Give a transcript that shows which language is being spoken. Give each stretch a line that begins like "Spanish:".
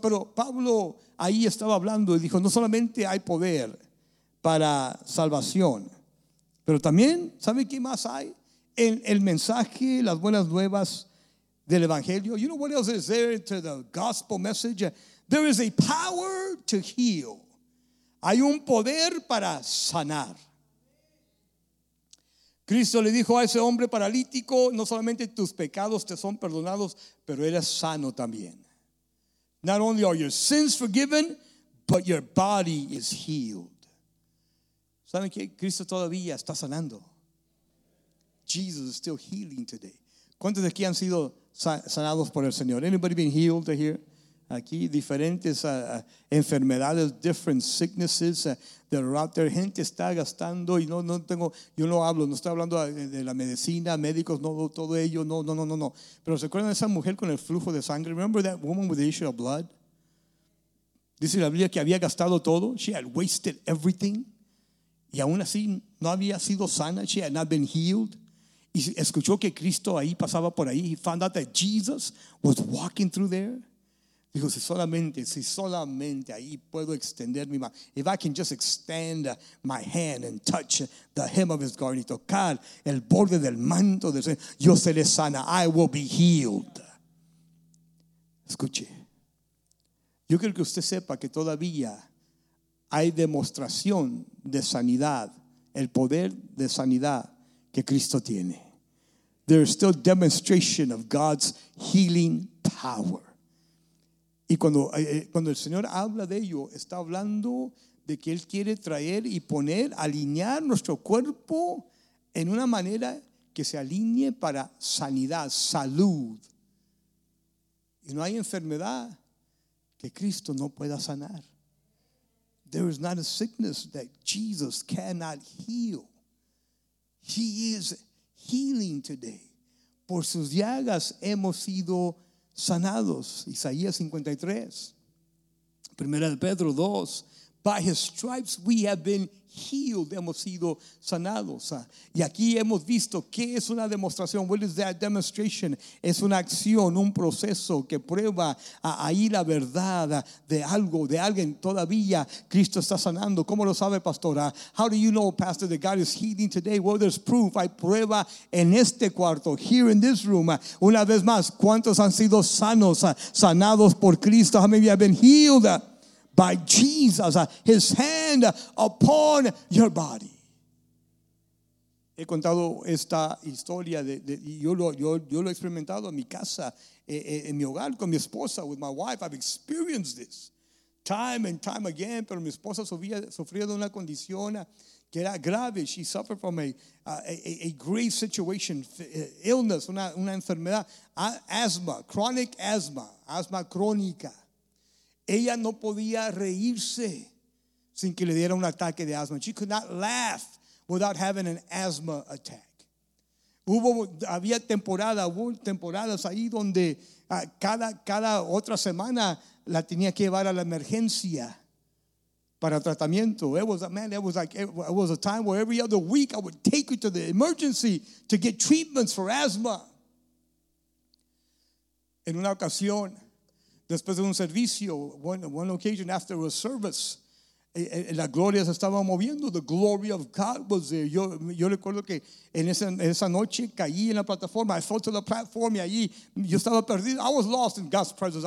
Spanish: Pero Pablo ahí estaba hablando y dijo, no solamente hay poder para salvación, pero también, ¿sabe qué más hay? El mensaje, las buenas nuevas del evangelio.
English: You know what else is there to the gospel message? There is a power to heal.
Spanish: Hay un poder para sanar. Cristo le dijo a ese hombre paralítico, no solamente tus pecados te son perdonados, pero eres sano también.
English: Not only are your sins forgiven, but your body is healed.
Spanish: ¿Saben qué? Cristo todavía está sanando.
English: Jesus is still healing today.
Spanish: ¿Cuántos de aquí han sido sanados por el Señor?
English: Anybody been healed here?
Spanish: Aquí diferentes enfermedades,
English: different sicknesses that are out there.
Spanish: Gente está gastando y no estoy hablando de la medicina, médicos, no todo ello, no. Pero ¿se acuerdan de esa mujer con el flujo de sangre?
English: Remember that woman with the issue of blood?
Spanish: Dice la Biblia que había gastado todo.
English: She had wasted everything.
Spanish: Y aún así no había sido sana.
English: She had not been healed.
Spanish: Y escuchó que Cristo ahí pasaba por ahí.
English: He found out that Jesus was walking through there.
Spanish: Dijo, si solamente ahí puedo extender mi mano.
English: If I can just extend my hand and touch the hem of His garment,
Spanish: tocar el borde del manto del Señor, yo seré sana.
English: I will be healed.
Spanish: Escuche. Yo quiero que usted sepa que todavía hay demostración de sanidad, el poder de sanidad que Cristo tiene.
English: There is still demonstration of God's healing power.
Spanish: Y cuando el Señor habla de ello, está hablando de que Él quiere traer y poner, alinear nuestro cuerpo en una manera que se alinee para sanidad, salud. Y no hay enfermedad que Cristo no pueda sanar.
English: There is not a sickness that Jesus cannot heal. He is healing today.
Spanish: Por sus llagas hemos sido sanados. Isaías 53. Primera de Pedro 2.
English: By His stripes we have been healed.
Spanish: Hemos sido sanados. Y aquí hemos visto qué es una demostración.
English: What is that demonstration?
Spanish: Es una acción, un proceso que prueba ahí la verdad de algo, de alguien. Todavía Cristo está sanando. ¿Cómo lo sabe, pastor?
English: How do you know, pastor, that God is healing today? Well, there's proof.
Spanish: Hay prueba en este cuarto,
English: here in this room.
Spanish: Una vez más, ¿cuántos han sido sanos, sanados por Cristo?
English: How many have been healed by Jesus, His hand upon your body?
Spanish: He contado esta historia yo lo he experimentado en mi casa, en mi hogar, con mi esposa,
English: with my wife. I've experienced this time and time again.
Spanish: Pero mi esposa sufría de una condición que era grave.
English: She suffered from a grave situation, illness,
Spanish: una enfermedad, asma crónica. Ella no podía reírse sin que le diera un ataque de asma.
English: She could not laugh without having an asthma attack.
Spanish: Había temporadas ahí donde cada otra semana la tenía que llevar a la emergencia para tratamiento.
English: It was, man, it was like, it was a time where every other week I would take her to the emergency to get treatments for asthma.
Spanish: En una ocasión, después de un servicio,
English: one occasion after a service,
Spanish: la gloria se estaba moviendo.
English: The glory of God was there.
Spanish: Yo recuerdo que en esa noche caí en la plataforma.
English: I fell to the platform
Spanish: y allí yo estaba perdido.
English: I was lost in God's presence.